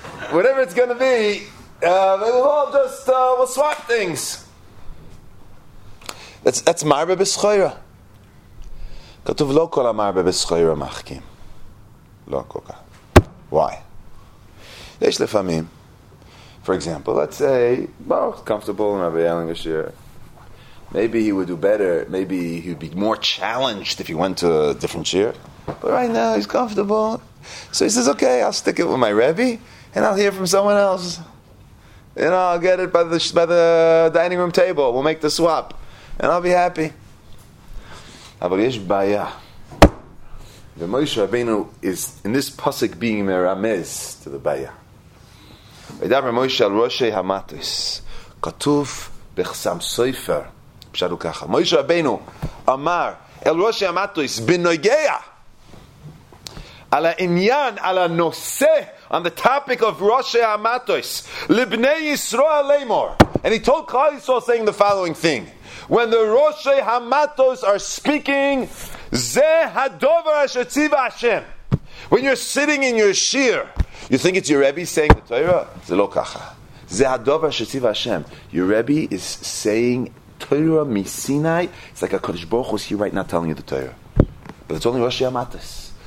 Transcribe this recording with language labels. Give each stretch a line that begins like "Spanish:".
English: Whatever it's going to be, we'll swap things.
Hebrew: That's marbe b'schoira. כתוב לא כל המרבה בסחורה מחכים. לא כל כך. Why? יש לפעמים,
English: for example, let's say, Baruch is comfortable in Rabbi Elinger shiur. Maybe he would do better, maybe he would be more challenged if he went to a different shiur. But right now he's comfortable. So he says, okay, I'll stick it with my Rebbe, and I'll hear from someone else. And I'll get it by the dining room table. We'll make the swap. And I'll be happy.
Hebrew: אבל יש בעיה.
English: ומשה רבינו is in this pasuk being מרמז to the בעיה.
Hebrew: וידבר משה על ראשי המטויס. כתוב בחסם סופר. פשוט ככה. משה רבינו אמר אל ראשי המטויס בנוגע על העניין, על הנושא,
English: on the topic of
Hebrew: ראשי המטויס. לבני ישראל לאמור.
English: And he told Klal Yisrael saying the following thing. When the Roshei Hamatos are speaking,
Hebrew: Ze Hadover Asher Tziva Hashem.
English: When you're sitting in your shir, you think it's your Rebbe saying the Torah?
Hebrew: Ze lo kacha. Ze Hadover Asher Tziva Hashem.
English: Your Rebbe is saying Torah mi Sinai. It's like a Kodesh Baruch Hu is here right now telling you the Torah. But it's only Roshei Hamatos.